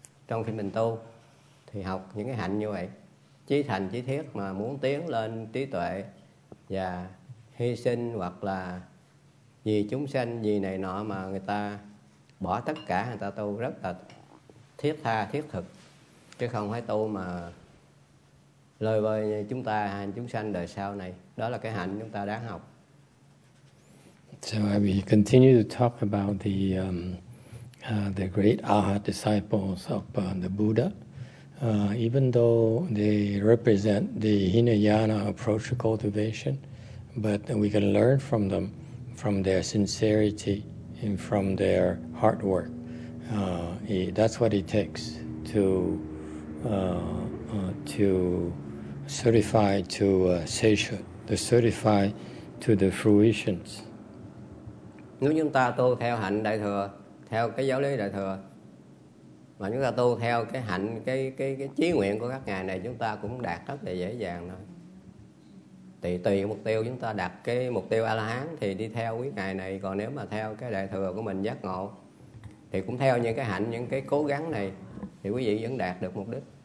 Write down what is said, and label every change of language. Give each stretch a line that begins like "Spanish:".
Vietnamese: Trong khi mình tu thì học những cái hạnh như vậy, chí thành chí thiết mà muốn tiến lên trí tuệ và hy sinh, hoặc là vì chúng sanh, vì này nọ mà người ta bỏ tất cả, người ta tu rất là thiết tha thiết thực, chứ không phải tu mà lời vời như chúng ta chúng sanh đời sau này. Đó là cái hạnh chúng ta đáng học.
English: So I will continue to talk about the great arhat disciples of the Buddha. Even though they represent the Hinayana approach to cultivation, but we can learn from them, from their sincerity and from their hard work. That's what it takes to certify to seishu, to certify to the fruitions.
Vietnamese: Nếu chúng ta tu theo hạnh đại thừa, theo cái giáo lý đại thừa, mà chúng ta tu theo cái hạnh, cái chí nguyện của các ngài này, chúng ta cũng đạt rất là dễ dàng thôi. Thì tùy mục tiêu, chúng ta đặt cái mục tiêu A-la-hán thì đi theo quý ngài này, còn nếu mà theo cái đại thừa của mình giác ngộ thì cũng theo những cái hạnh, những cái cố gắng này thì quý vị vẫn đạt được mục đích.